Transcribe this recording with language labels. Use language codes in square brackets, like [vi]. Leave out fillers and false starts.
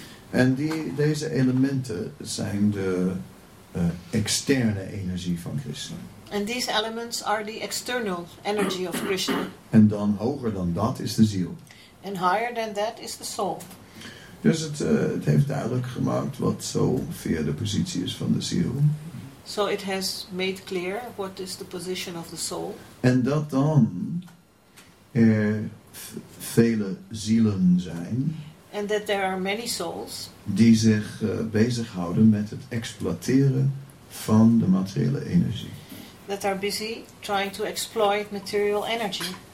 [nl] En deze elementen zijn de externe energie van Krishna. [en] And these elements are the external energy of Krishna. [nl] En dan hoger dan dat is de ziel. [en] And higher than that is the soul. [nl] Dus het heeft duidelijk gemaakt wat zo ongeveer de positie is van de ziel. [en] So it has made clear what is the position of the soul. [nl] En dat dan er vele zielen zijn. [en] And that there are many souls. [nl] Die zich bezighouden met het exploiteren van de materiële energie. [en] That are busy trying to exploit material energy.